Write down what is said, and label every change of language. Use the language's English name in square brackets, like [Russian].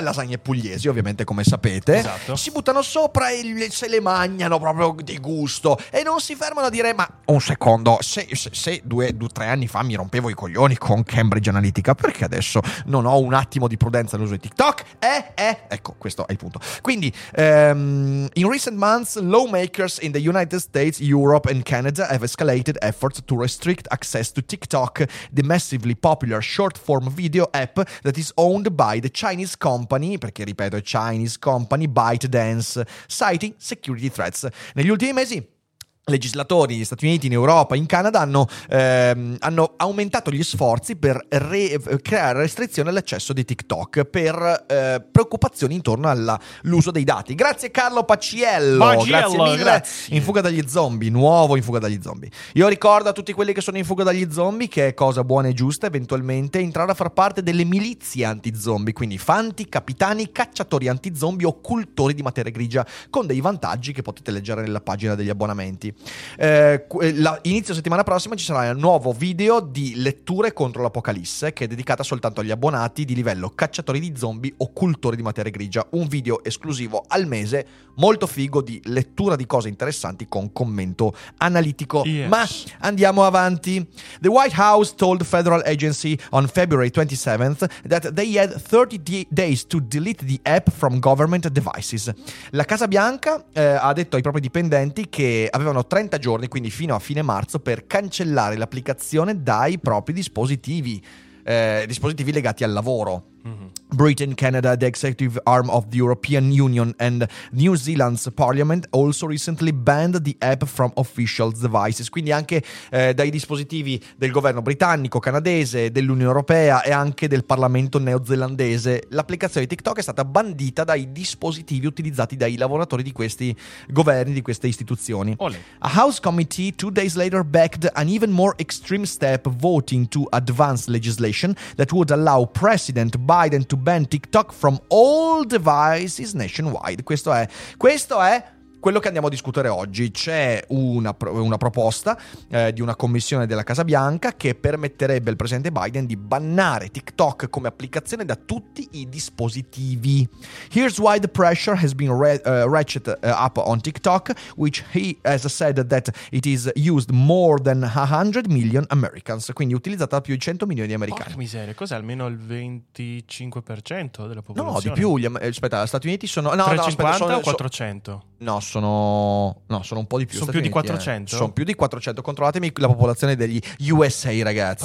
[Italian] Lasagne pugliesi, ovviamente, come sapete. Esatto. Si buttano sopra e se le mangiano proprio di gusto. E non si fermano a dire, ma un secondo, se due, tre anni fa mi rompevo i coglioni con Cambridge Analytica, perché adesso non ho un attimo di prudenza nell'uso di TikTok? Ecco, questo è il punto. [English] Quindi, in recent months, lawmakers in the United States, Europe and Canada have escalated efforts to restrict access to TikTok, the massively popular short-form video app that is owned by the Chinese company, [Italian] perché ripeto, [English] Chinese company, ByteDance, citing security threats. [Italian] Negli ultimi mesi, legislatori negli Stati Uniti, in Europa, in Canada hanno aumentato gli sforzi per creare restrizioni all'accesso di TikTok per preoccupazioni intorno all'uso dei dati. Grazie Carlo Paciello, grazie mille, grazie. In fuga dagli zombie, nuovo in fuga dagli zombie. Io ricordo a tutti quelli che sono in fuga dagli zombie che è cosa buona e giusta eventualmente entrare a far parte delle milizie anti-zombie, quindi fanti, capitani, cacciatori anti-zombie o cultori di materia grigia, con dei vantaggi che potete leggere nella pagina degli abbonamenti. Inizio settimana prossima ci sarà un nuovo video di letture contro l'apocalisse, che è dedicata soltanto agli abbonati di livello cacciatori di zombie o cultori di materia grigia. Un video esclusivo al mese, molto figo, di lettura di cose interessanti con commento analitico. [English] Yes. [Italian] Ma andiamo avanti. [English] The White House told Federal Agency on February 27th that they had 30 days to delete the app from government devices. [Italian] La Casa Bianca ha detto ai propri dipendenti che avevano 30 giorni, quindi fino a fine marzo, per cancellare l'applicazione dai propri dispositivi legati al lavoro. [English] Britain, Canada, the executive arm of the European Union and New Zealand's parliament also recently banned the app from official devices. [Italian] Quindi anche dai dispositivi del governo britannico, canadese, dell'Unione Europea e anche del Parlamento neozelandese, l'applicazione TikTok è stata bandita dai dispositivi utilizzati dai lavoratori di questi governi, di queste istituzioni. Olé. [English] A House committee 2 days later backed an even more extreme step, voting to advance legislation that would allow President Biden to ban TikTok from all devices nationwide. [Italian] Questo è quello che andiamo a discutere oggi. C'è una proposta di una commissione della Casa Bianca che permetterebbe al presidente Biden di bannare TikTok come applicazione da tutti i dispositivi. [English] Here's why the pressure has been ratcheted up on TikTok, which he has said that it is used more than 100 million Americans. [Italian] Quindi utilizzata da più di 100 milioni di americani. Porca miseria, cos'è? Almeno il 25% della popolazione? No, di più. Aspetta, gli Stati Uniti sono... No, 350 no, aspetta, o 400? Sono un po' di più. Sono più di 400? Sono più di 400. Controllatemi la popolazione degli USA, ragazzi.